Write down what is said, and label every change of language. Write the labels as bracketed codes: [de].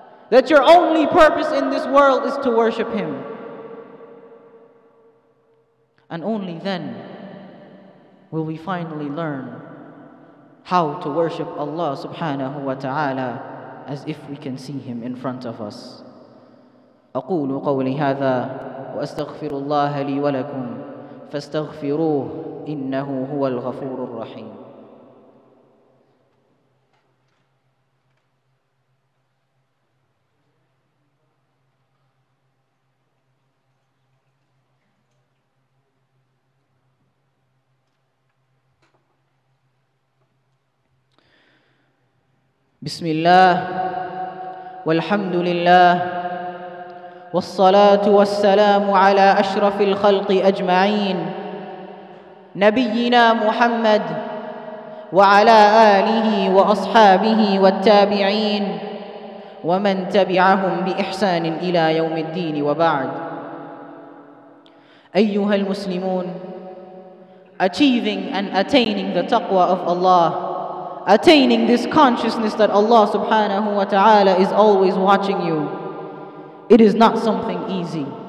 [en] That your only purpose in this world is to worship Him. And only then will we finally learn how to worship Allah subhanahu wa ta'ala as if we can see Him in front of us. [ar] أقول قولي هذا وأستغفر الله لي ولكم فاستغفروه إنه هو الغفور الرحيم. بسم الله والحمد لله والصلاة والسلام على أشرف الخلق أجمعين نبينا محمد وعلى آله وأصحابه والتابعين ومن تبعهم بإحسان إلى يوم الدين وبعد. أيها المسلمون, [en] achieving and attaining the taqwa of Allah, attaining this consciousness that Allah subhanahu wa ta'ala is always watching you, it is not something easy.